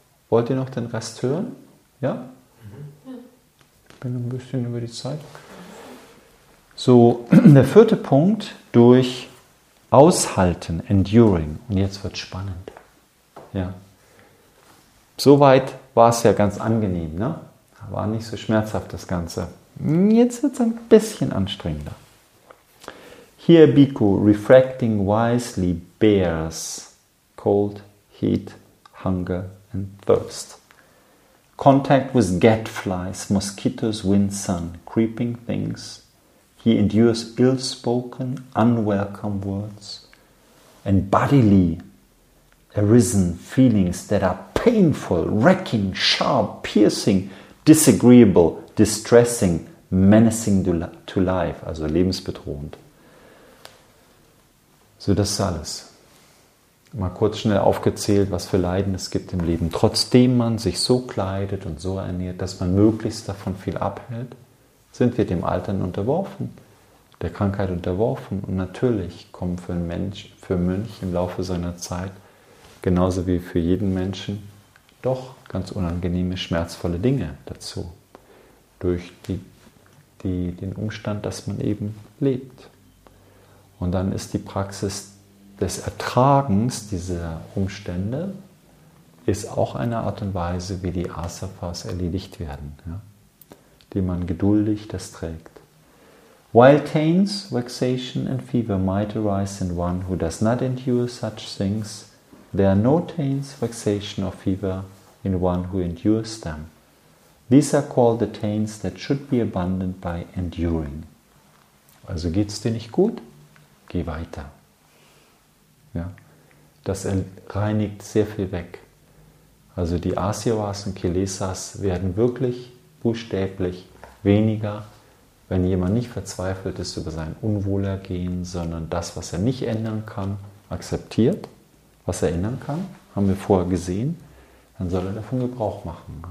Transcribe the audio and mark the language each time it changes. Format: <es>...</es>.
<de>Wollt ihr noch den Rest hören? Ja? Ein bisschen über die Zeit. So, der vierte Punkt, durch aushalten, enduring. Und jetzt wird es spannend. Ja. Soweit war es ja ganz angenehm, ne? War nicht so schmerzhaft das Ganze. Jetzt wird es ein bisschen anstrengender.</de> <en>Here Bhikkhu, refracting wisely, bears cold, heat, hunger and thirst. Contact with gadflies, mosquitoes, wind, sun, creeping things. He endures ill-spoken, unwelcome words and bodily arisen feelings that are painful, wrecking, sharp, piercing, disagreeable, distressing, menacing to life,</en> <de>also lebensbedrohend. So, das ist alles. Mal kurz schnell aufgezählt, was für Leiden es gibt im Leben. Trotzdem man sich so kleidet und so ernährt, dass man möglichst davon viel abhält, sind wir dem Altern unterworfen, der Krankheit unterworfen. Und natürlich kommen für einen Mensch, für einen Mönch im Laufe seiner Zeit, genauso wie für jeden Menschen, doch ganz unangenehme, schmerzvolle Dinge dazu. Durch den Umstand, dass man eben lebt. Und dann ist die Praxis des Ertragens dieser Umstände ist auch eine Art und Weise, wie die Asafas erledigt werden, ja? Die man geduldig das trägt.</de> <en>While pains, vexation and fever might arise in one who does not endure such things, there are no pains, vexation or fever in one who endures them. These are called the pains that should be abandoned by enduring.</en> <de>Also geht's dir nicht gut? Geh weiter. Ja, das reinigt sehr viel weg. Also die Asyavas und Kilesas werden wirklich buchstäblich weniger, wenn jemand nicht verzweifelt ist über sein Unwohlergehen, sondern das, was er nicht ändern kann, akzeptiert, was er ändern kann, haben wir vorher gesehen, dann soll er davon Gebrauch machen.</de>